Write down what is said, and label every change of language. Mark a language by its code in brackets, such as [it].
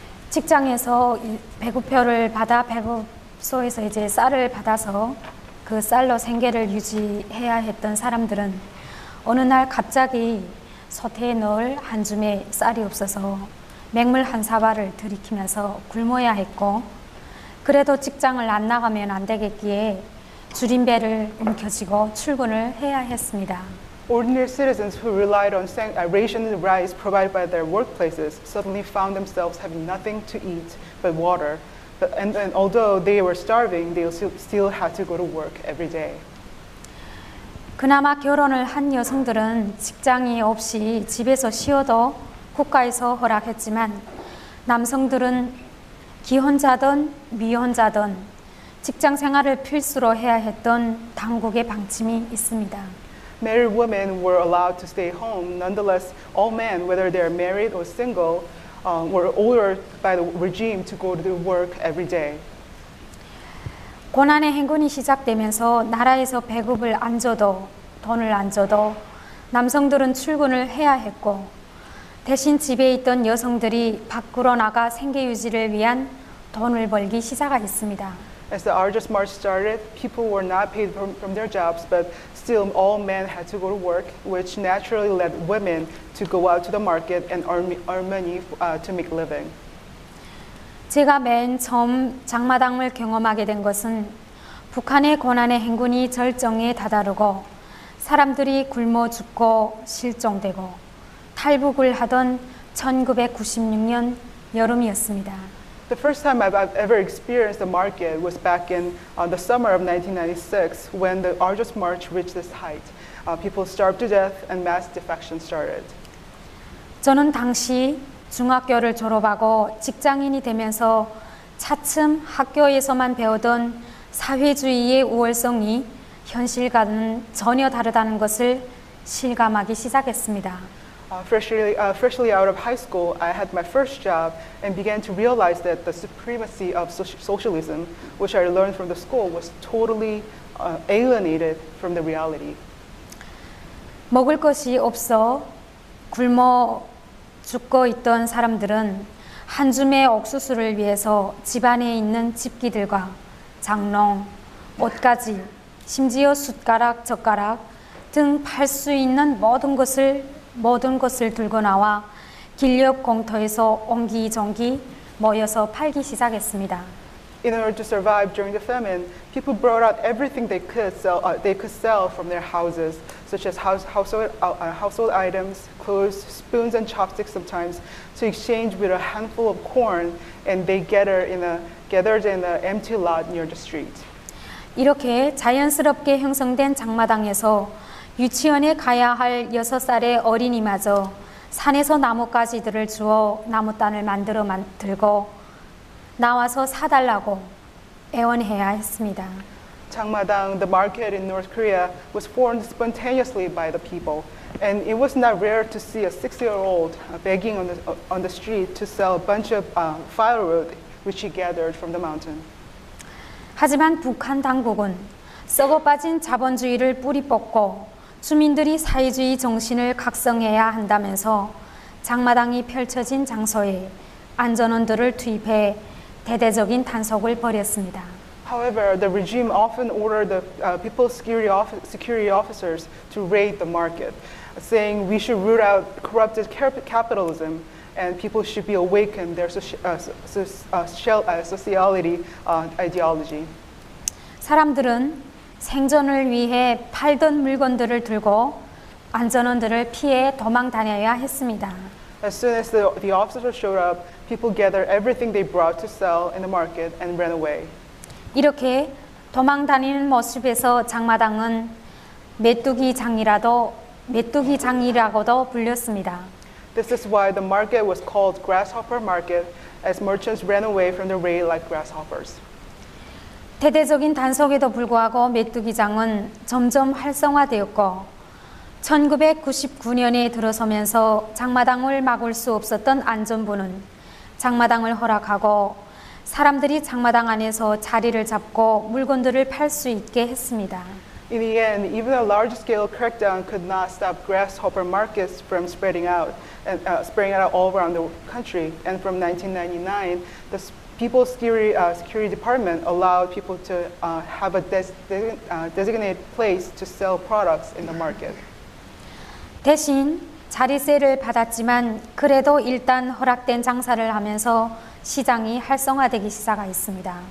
[ko] 직장에서 배급표를 받아 배급소에서 이제 쌀을 받아서 그 쌀로 생계를 유지해야 했던 사람들은 어느 날 갑자기 서태에 넣을 한 줌의 쌀이 없어서 맹물 한 사발을 들이키면서 굶어야 했고 그래도 직장을 안 나가면 안 되겠기에 줄임배를 움켜쥐고 출근을 해야 했습니다. [en] Ordinary citizens who relied on rationed rice provided by their workplaces suddenly found themselves having nothing to eat but water. And although they were starving, they still had to go to work every day. [ko] 그나마 결혼을 한 여성들은 직장이 없이 집에서 쉬어도 국가에서 허락했지만 남성들은 기혼자든 미혼자든 직장 생활을 필수로 해야 했던 당국의 방침이 있습니다. [en] Married women were allowed to stay home. Nonetheless, all men, whether they are married or single, were ordered by the regime to go to work every day. [ko] 고난의 행군이 시작되면서 나라에서 배급을 안 줘도 돈을 안 줘도 남성들은 출근을 해야 했고 대신 집에 있던 여성들이 밖으로 나가 생계 유지를 위한 돈을 벌기 시작했습니다. [en] As the arduous march started, people were not paid from their jobs, but still all men had to go to work, which naturally led women to go out to the market and earn money to make a living. [ko] 제가 맨 처음 장마당을 경험하게 된 것은 북한의 고난의 행군이 절정에 다다르고 사람들이 굶어 죽고 실종되고 탈북을 하던 1996년 여름이었습니다. [en] The first time I've ever experienced the market was back in the summer of 1996 when the arduous march reached this height. People starved to death and mass defection started. [ko] 저는 당시 중학교를 졸업하고 직장인이 되면서 차츰 학교에서만 배우던 사회주의의 우월성이 현실과는 전혀 다르다는 것을 실감하기 시작했습니다. [en] Freshly out of high school, I had my first job and began to realize that the supremacy of socialism, which I learned from the school, was totally alienated from the reality. [ko] 먹을 것이 없어 굶어 죽고 있던 사람들은 한 줌의 옥수수를 위해서 집 안에 있는 집기들과 장롱, 옷까지 심지어 숟가락, 젓가락 등 팔 수 있는 모든 것을 들고 나와 길 옆 공터에서 옹기종기 모여서 팔기 시작했습니다. [en] In order to survive during the famine, people brought out everything they could sell from their houses, such as household items, clothes, spoons, and chopsticks sometimes, to exchange with a handful of corn, and they gathered in an empty lot near the street. [ko] 이렇게 자연스럽게 형성된 장마당에서 유치원에 가야 할 6살의 어린이마저 산에서 나뭇가지들을 주워 나무단을 만들어 들고 나와서 사달라고 애원해야 했습니다. [en] Changmadang, the market in North Korea, was formed spontaneously by the people. And it was not rare to see a six-year-old begging on the street to sell a bunch of firewood which he gathered from the mountain. [ko] 하지만 북한 당국은 썩어빠진 자본주의를 뿌리 뽑고 주민들이 사회주의 정신을 각성해야 한다면서 장마당이 펼쳐진 장소에 안전원들을 투입해 대대적인 단속을 벌였습니다. [en] However, the regime often ordered the people's security officers to raid the market, saying we should root out corrupted capitalism and people should be awakened their sociality ideology. [ko] 사람들은 생존을 위해 팔던 물건들을 들고 안전원들을 피해 도망 다녀야 했습니다. [en] As soon as the officers showed up, people gathered everything they brought to sell in the market and ran away. [ko] 이렇게 도망 다니는 모습에서 장마당은 메뚜기 장이라고도 불렸습니다. [en] This is why the market was called Grasshopper Market, as merchants ran away from the raid like grasshoppers. [ko] 대대적인 단속에도 불구하고 메뚜기장은 점점 활성화되었고 1999년에 들어서면서 장마당을 막을 수 없었던 안전부는 장마당을 허락하고 사람들이 장마당 안에서 자리를 잡고 물건들을 팔 수 있게 했습니다. [en] In the end, even a large-scale crackdown could not stop grasshopper markets from spreading out all around the country. And from 1999, the People's Security Department allowed people to have a designated place to sell products in the market. [ko] 대신 자리세를 받았지만 그래도 일단 허락된 장사를 하면서 시장이 활성화되기 시작했습니다.